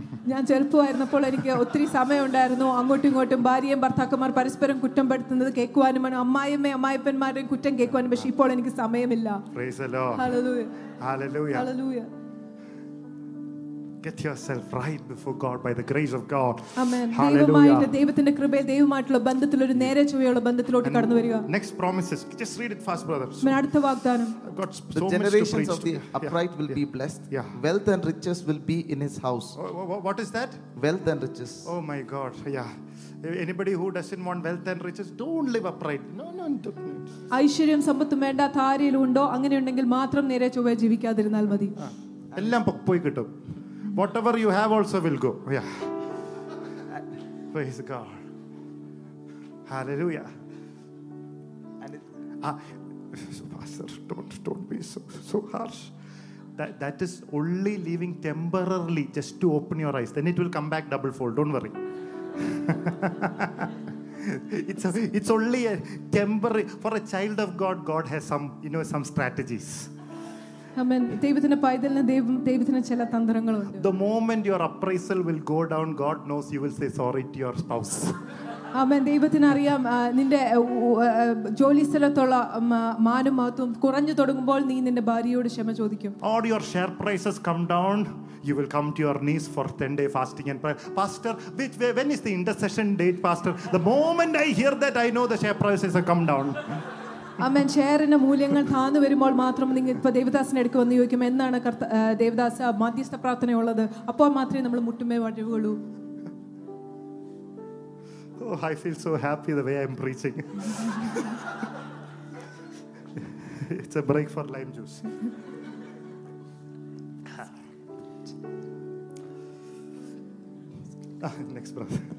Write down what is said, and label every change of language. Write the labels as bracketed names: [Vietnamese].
[Malayalam] ഞാൻ ചെറുപ്പമായിരുന്നപ്പോൾ എനിക്ക് ഒത്തിരി സമയമുണ്ടായിരുന്നു. അങ്ങോട്ടും ഇങ്ങോട്ടും ഭാര്യയും ഭർത്താക്കന്മാർ പരസ്പരം കുറ്റം പെടുത്തുന്നത് കേൾക്കുവാനും അമ്മായിയമ്മ അമ്മായിപ്പന്മാരുടെയും കുറ്റം കേൾക്കുവാനും, പക്ഷെ ഇപ്പോൾ എനിക്ക് സമയമില്ല. [English] Praise the Lord. Hallelujah. Hallelujah. Hallelujah. Get yourself right before God by the grace of God. Amen. Hallelujah. [Malayalam] ദൈവത്തിന്റെ കൃപയിൽ ദൈവമായിട്ടുള്ള ബന്ധത്തിൽ ഒരു നേരെചൊവ്വെയുള്ള ബന്ധത്തിലോട്ട് കടന്നു വരിക. [English] Next promises, just read it fast, brother. [Malayalam] Men അടുത്ത വാഗ്ദാനം. [English] I've got so the generations of the upright will be blessed. Yeah. Wealth and riches will be in his house. What is that? Wealth and riches. Oh my God. Yeah. Anybody who doesn't want wealth and riches, don't live upright. No. [Malayalam] ഐശ്വര്യം സമ്പത്ത് വേണ്ട ധാരയിൽ ഉണ്ടോ അങ്ങനെ ഉണ്ടെങ്കിൽ മാത്രം നേരെചൊവ്വെ ജീവിക്കാതിരുന്നാൽ മതി. എല്ലാം പോയി കിട്ടും. [English] Whatever you have also will go. Yeah. Praise God. Hallelujah. And so pastor, don't be so harsh. That is only leaving temporarily just to open your eyes, then it will come back double fold, don't worry. it's only a temporary. For a child of God, God has some strategies. Amen. [Malayalam] ദൈവത്തിന്റെ പൈതലിന് ദൈവത്തിന് ചില തന്ത്രങ്ങളുണ്ട്. [English] The moment your appraisal will go down, God knows you will say sorry to your spouse. Amen. [Malayalam] ദൈവത്തിന് അറിയാം നിന്റെ ജോലി സ്ഥലത്തുള്ള മാനം മഹത്വം കുറഞ്ഞു തുടങ്ങുമ്പോൾ നീ നിന്റെ ഭാര്യയോട് ക്ഷമ ചോദിക്കും. [English] All your share prices come down, you will come to your knees for 10 day fasting and prayer. Pastor, when is the intercession date, pastor? The moment I hear that, I know the share prices have come down. [Malayalam] അമ്മൻ ഷെയറിന്റെ മൂല്യങ്ങൾ താഴ്ന്നു വരുമ്പോൾ മാത്രം നിങ്ങൾ ഇപ്പൊ ദേവദാസിനെ എടുക്കും എന്ന് ചോദിക്കും. എന്നാണ് ദേവദാസ മധ്യസ്ഥ പ്രാർത്ഥനയുള്ളത്? അപ്പോൾ മാത്രമേ നമ്മൾ മുട്ടുമേ വഴിവുള്ളൂ. [English] Oh, I feel so happy the way I'm preaching. It's a break for lime juice. Next brother.